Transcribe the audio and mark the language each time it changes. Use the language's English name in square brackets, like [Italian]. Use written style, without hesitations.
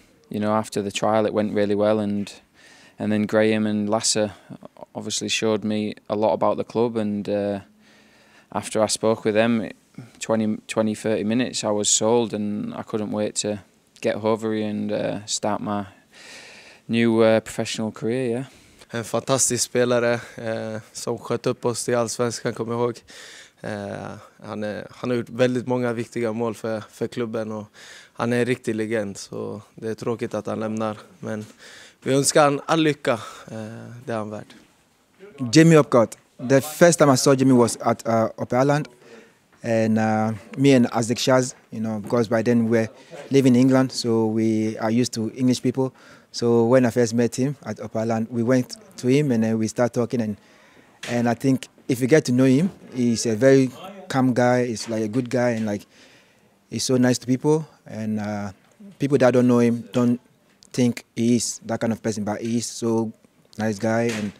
[English] You know, after the trial, it went really well, and then Graham and Lasse obviously showed me a lot about the club, and after I spoke with them, 20-30 minutes, I was sold, and I couldn't wait to get over here and start my new professional career. Yeah. [Swedish] En fantastisk spelare som sköt upp oss till Allsvenskan, kom ihåg. Han har gjort väldigt många viktiga mål för klubben, och han är en riktig legend, så det är tråkigt att han lämnar, men vi önskar han all lycka, det är han värd. [English] Jamie Hopcut, the first time I saw Jamie was at Upper Island, and me and Isaac Shaz, you know, because by then we're living in England, so we are used to English people. So when I first met him at Upper Island, we went to him and then we start talking, and I think if you get to know him, he's a very calm guy, he's like a good guy, and like he's so nice to people, and people that don't know him don't think he is that kind of person, but he is so nice guy,